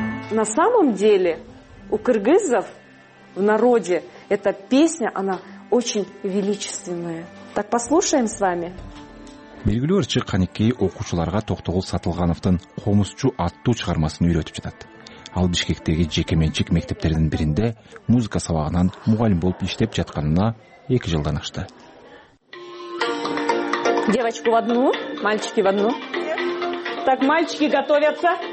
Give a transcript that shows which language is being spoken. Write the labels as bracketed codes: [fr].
[ru] На самом деле у кыргызов в народе эта песня, она очень величественная. Так послушаем с вами. [ky] Белгилүү ырчы Каникей окуучуларга Токтогул Сатылгановдун Комузчу аттуу чыгармасын үйрөтүп жатат. Ал Бишкектеги жекеменчик мектептердин биринде музыка сабагынан мугалим болуп иштеп жатканына 2 жылдан ашты. [ru] Девочку в одну, мальчики в одну. Так мальчики готовятся.